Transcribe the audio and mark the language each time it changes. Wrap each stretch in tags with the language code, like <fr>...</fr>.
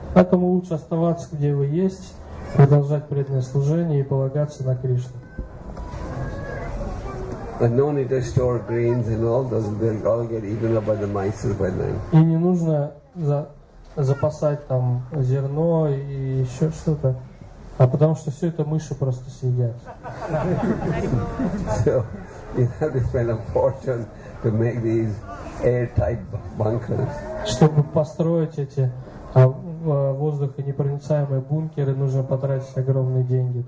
<ru>Поэтому лучше оставаться, где вы есть. Продолжать преданное служение и полагаться на Кришну.</ru> <en>No need to store grains and all, they'll all get eaten up by the mice by then.</en> <ru>И не нужно запасать там зерно и еще что-то, а потому что все это мыши просто съедят.</ru> <en>So you have to spend a fortune to make these airtight bunkers.</en> <ru>Чтобы построить эти воздух и непроницаемые бункеры, нужно потратить огромные деньги.</ru>